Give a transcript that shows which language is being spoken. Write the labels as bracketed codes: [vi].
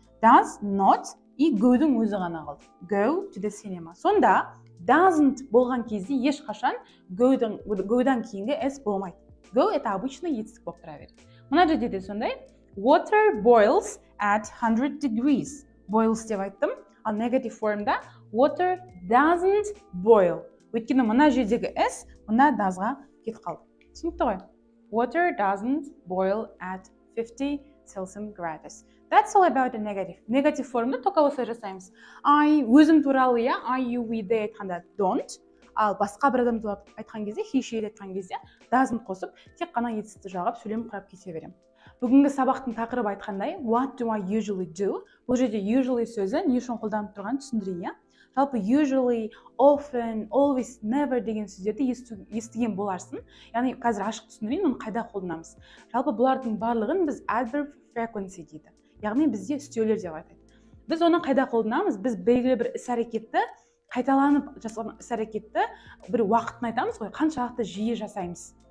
[kk] Does not и go-дың өзі ғана қалды. [en] Go to the cinema. [kk] Сонда doesn't болған кезде ешқашан go-дан кейінгі s болмайды. Go [ru] это обычно [kk] етістік болып тұра береді. Мына жерде де сондай. [en] Water boils at 100 degrees. [kk] Boils деп айттым. [en] Ал negative form-да water doesn't boil. [kk] Өйткені мына жердегі s мына does-ға кетіп қалды. Түсінікті ғой? [en] Water doesn't boil at 50 Celsius градус. That's all about the negative. [kk] Negative form-ды только осылай жасаймыз. I, өзім туралы, я, I, you, we, they айтқанда don't. Ал басқа бір адам туралы айтқан кезде, he, she, it айтқан кезде doesn't қосып, тек қана етісті жағып, сөйлем құрап кете беремін. Бүгінгі сабақтың тақырып айтқандай, [en] what do I usually do? [kk] Бұл жерде usually сөзі не үшін қолданып тұрған түсіндірейін, я? Жалпы usually, often, always, never деген сөздерді естіген боларсың. Яғни қазір ашық түсіндірейін, оны қайда қолданамыз. Жалпы бұлардың барлығын біз adverb frequency дейді. Яғни бізде үстеулер деп айтады. Біз оны қайда қолданамыз? Біз белгілі бір іс-әрекетті, қайталанып жасалған іс-әрекетті бір уақытын айтамыз ғой, қаншалықты жиі жасаймыз.